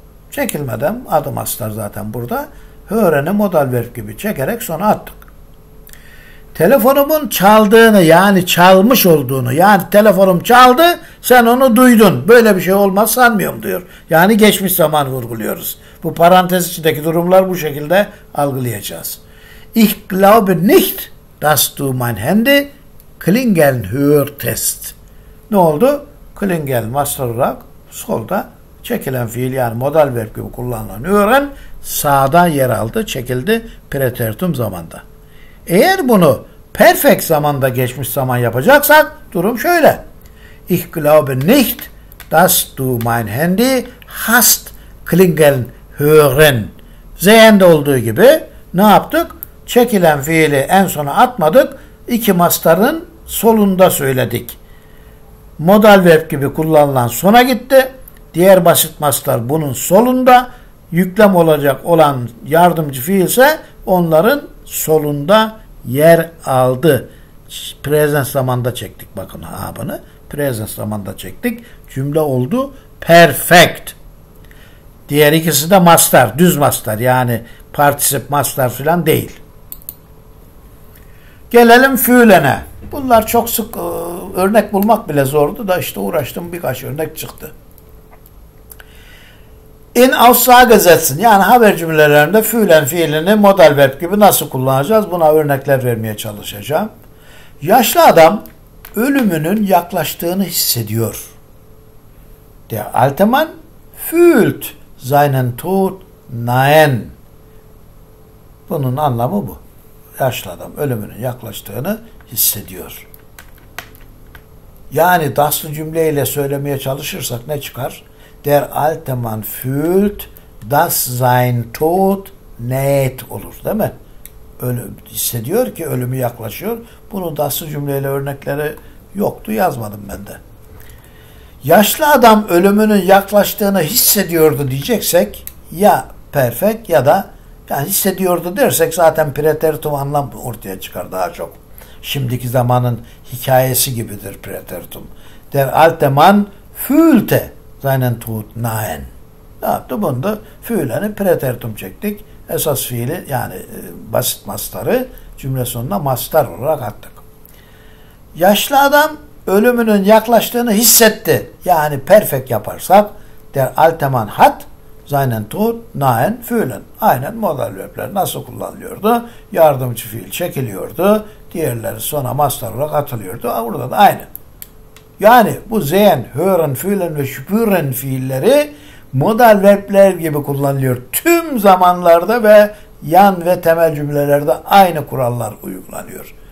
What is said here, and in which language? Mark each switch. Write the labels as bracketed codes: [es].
[tr] Çekilmeden adı mastar zaten burada. Hören'i modal verb gibi çekerek sona attık. Telefonumun çaldığını, yani çalmış olduğunu, yani telefonum çaldı, sen onu duydun. Böyle bir şey olmaz sanmıyorum diyor. Yani geçmiş zaman vurguluyoruz. Bu parantez içindeki durumlar bu şekilde algılayacağız. [de] Ich glaube nicht, dass du mein Handy klingeln hörtest. [tr] Ne oldu? Klingeln master olarak solda çekilen fiil, yani modal verb gibi kullanılan hören sağda yer aldı, çekildi pretertum zamanda. Eğer bunu perfect zamanda geçmiş zaman yapacaksak durum şöyle. [de] Ich glaube nicht, dass du mein Handy hast klingeln hören. [tr] Z'nde olduğu gibi ne yaptık? Çekilen fiili en sona atmadık. İki mastarın solunda söyledik. Modal verb gibi kullanılan sona gitti. Diğer basit mastar bunun solunda. Yüklem olacak olan yardımcı fiil ise onların solunda yer aldı. Present zamanda çektik. Bakın habını. Present zamanda çektik. Cümle oldu. Perfect. Diğer ikisi de mastar. Düz mastar. Yani particip mastar filan değil. Gelelim fiülene. Bunlar çok sık örnek bulmak bile zordu da işte uğraştım birkaç örnek çıktı. [de] In Aussagesätzen, [tr] yani haber cümlelerinde fiilen fiilini modal verb gibi nasıl kullanacağız? Buna örnekler vermeye çalışacağım. Yaşlı adam ölümünün yaklaştığını hissediyor. [de] Der alte Mann fühlt seinen Tod nahen. [tr] Bunun anlamı bu. Yaşlı adam ölümünün yaklaştığını hissediyor. Yani daslı cümleyle söylemeye çalışırsak ne çıkar? [de] Der alte Mann fühlt, dass sein Tod näht [tr] olur. Değil mi? Ölüm, hissediyor ki ölümü yaklaşıyor. Bunu daslı cümleyle örnekleri yoktu, yazmadım ben de. Yaşlı adam ölümünün yaklaştığını hissediyordu diyeceksek ya perfect ya da yani hissediyordu dersek zaten preteritum anlam ortaya çıkar daha çok. Şimdiki zamanın hikayesi gibidir preteritum. [de] Der alte man fühlte seinen tod nahen. [tr] Ne yaptı bunda? Fühleni preteritum çektik. Esas fiili yani basit mastarı cümle sonuna mastar olarak attık. Yaşlı adam ölümünün yaklaştığını hissetti. Yani perfect yaparsak [de] der alteman hat seinen tod nahen fühlen. [tr] Aynen modal verbler nasıl kullanılıyordu? Yardımcı fiil çekiliyordu. Diğerleri sona mastar olarak atılıyordu. Burada da aynı. Yani bu sehen, hören, fühlen ve spüren fiilleri modal verbler gibi kullanılıyor. Tüm zamanlarda ve yan ve temel cümlelerde aynı kurallar uygulanıyor.